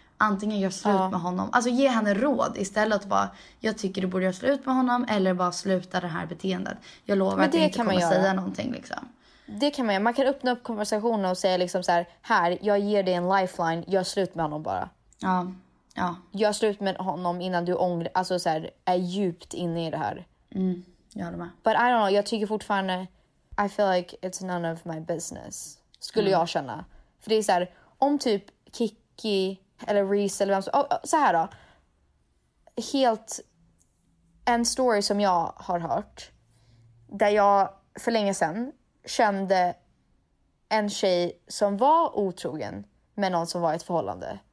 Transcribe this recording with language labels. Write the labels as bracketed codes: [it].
[sv] antingen gör slut med honom. Alltså, ge henne råd istället att bara, jag tycker du borde göra slut med honom, eller bara sluta det här beteendet. Jag lovar att du inte kommer säga någonting liksom. Det kan man göra. Man kan öppna upp konversationen och säga liksom så här, jag ger dig en lifeline, gör slut med honom bara. Ja. Ja. Gör slut med honom innan du ångrar, alltså så här, är djupt inne i det här. Mm. Jag håller med. [en] But I don't know, [sv] jag tycker fortfarande, [en] I feel like it's none of my business. [sv] Skulle jag känna. För det är så här, om typ Kiki eller Reese eller vem som... så här då. Helt... en story som jag har hört. Där jag för länge sedan kände en tjej som var otrogen med någon som var i ett förhållande.